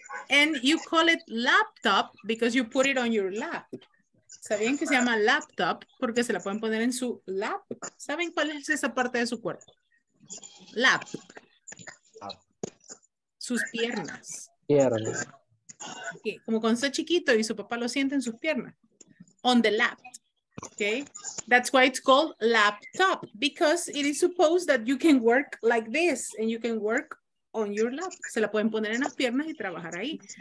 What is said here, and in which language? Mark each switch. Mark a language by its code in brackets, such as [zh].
[en] And you call it laptop because you put it on your lap. [es] ¿Sabían que se llama laptop? Porque se la pueden poner en su lap. ¿Saben cuál es esa parte de su cuerpo? [en] Lap. [es] Sus piernas. Piernas. Okay. Como cuando está chiquito y su papá lo siente en sus piernas. [en] On the lap. Okay. That's why it's called laptop. Because it is supposed that you can work like this. And you can work on your lap. [es] Se la pueden poner en las piernas y trabajar ahí.